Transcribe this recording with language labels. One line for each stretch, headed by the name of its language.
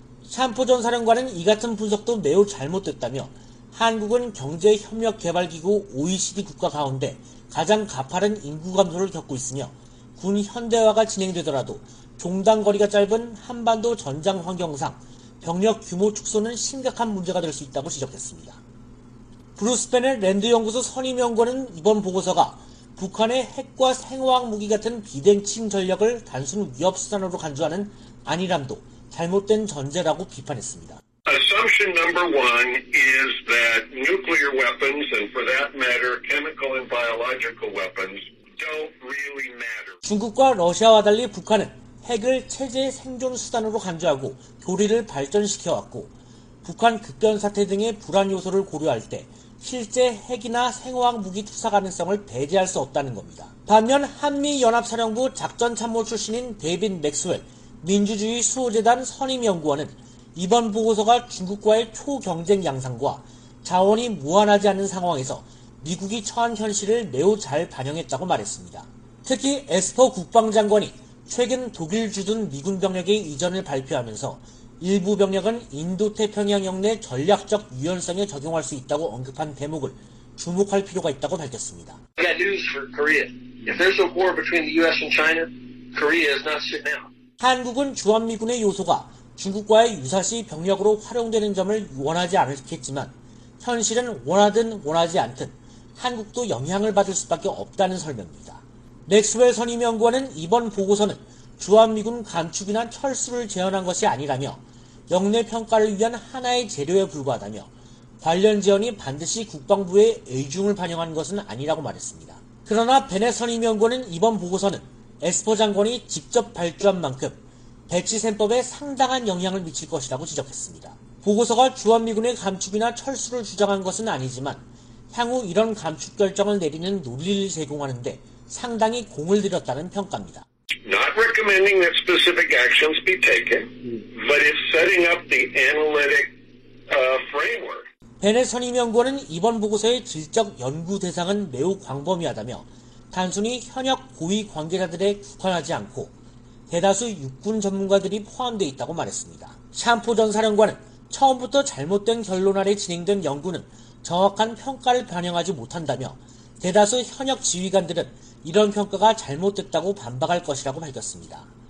Korean: 샴포 전 사령관은 이 같은 분석도 매우 잘못됐다며 한국은 경제협력개발기구 OECD 국가 가운데 가장 가파른 인구 감소를 겪고 있으며 군 현대화가 진행되더라도 종단거리가 짧은 한반도 전장 환경상 병력 규모 축소는 심각한 문제가 될 수 있다고 지적했습니다. 브루스펜의 랜드연구소 선임연구원은 이번 보고서가 북한의 핵과 생화학 무기 같은 비대칭 전력을 단순 위협 수단으로 간주하는 안일함도 잘못된 전제라고 비판했습니다.
English: Assumption number one is that nuclear weapons and for that matter chemical and biological weapons don't really matter.
Korean: 중국과 러시아와 달리 북한은 핵을 체제의 생존 수단으로 간주하고 교리를 발전시켜왔고 북한 극변 사태 등의 불안 요소를 고려할 때 실제 핵이나 생화학 무기 투사 가능성을 배제할 수 없다는 겁니다. 반면 한미연합사령부 작전참모 출신인 데빈 맥스웰 민주주의 수호재단 선임연구원은 이번 보고서가 중국과의 초경쟁 양상과 자원이 무한하지 않은 상황에서 미국이 처한 현실을 매우 잘 반영했다고 말했습니다. 특히 에스퍼 국방장관이 최근 독일 주둔 미군 병력의 이전을 발표하면서 일부 병력은 인도태평양 역내 전략적 유연성에 적용할 수 있다고 언급한 대목을 주목할 필요가 있다고 밝혔습니다.
English: Bad news for Korea. If there's a war between the US and China, Korea is not sitting down.
Korean: 한국은 주한미군의 요소가 중국과의 유사시 병력으로 활용되는 점을 원하지 않겠지만 현실은 원하든 원하지 않든 한국도 영향을 받을 수밖에 없다는 설명입니다. 맥스웰 선임연구원은 이번 보고서는 주한미군 감축이나 철수를 재현한 것이 아니라며 역내 평가를 위한 하나의 재료에 불과하다며 관련 재현이 반드시 국방부의 의중을 반영한 것은 아니라고 말했습니다. 그러나 베넷 선임연구원은 이번 보고서는 에스퍼 장관이 직접 발주한 만큼 배치셈법에 상당한 영향을 미칠 것이라고 지적했습니다. 보고서가 주한미군의 감축이나 철수를 주장한 것은 아니지만 향후 이런 감축 결정을 내리는 논리를 제공하는 데 상당히 공을 들였다는 평가입니다.
English: Not recommending that specific actions be taken, but it's setting up the analytic framework.
Korean: 베넷 선임연구원은 이번 보고서의 질적 연구 대상은 매우 광범위하다며 단순히 현역 고위 관계자들에 국한하지 않고 대다수 육군 전문가들이 포함되어 있다고 말했습니다. 샴포 전 사령관은 처음부터 잘못된 결론 아래 진행된 연구는 정확한 평가를 반영하지 못한다며 대다수 현역 지휘관들은 이런 평가가 잘못됐다고 반박할 것이라고 밝혔습니다.